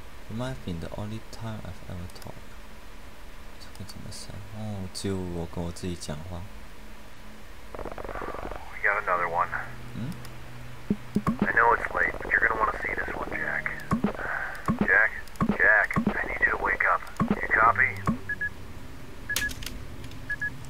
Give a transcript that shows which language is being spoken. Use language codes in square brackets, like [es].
[en] It might have been the only time I've ever talked. [zh] 这个怎么想？哦，只有我跟我自己讲话。 [en] Got another one. 嗯？I know it's late, but you're gonna want to see this one, Jack. Jack, Jack, I need you to wake up. You copy?